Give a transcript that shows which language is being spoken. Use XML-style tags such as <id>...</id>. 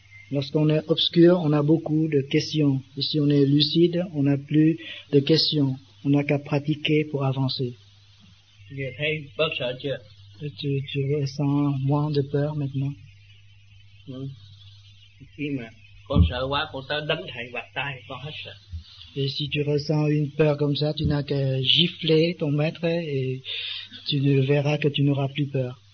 <fr>Lorsqu'on est obscur, on a beaucoup de questions. Et si on est lucide, on n'a plus de questions. On n'a qu'à pratiquer pour avancer.</fr> <vi>Je thấy bớt sợ chưa?</vi> <fr>Tu ressens moins de peur maintenant?</fr> <vi>Khi mà con sợ quá, con tới đánh thầy bạc tay, con hết sợ.</vi> <fr>Et si tu ressens une peur comme ça, tu n'as qu'à gifler ton maître et tu ne verras que tu n'auras plus peur.</fr>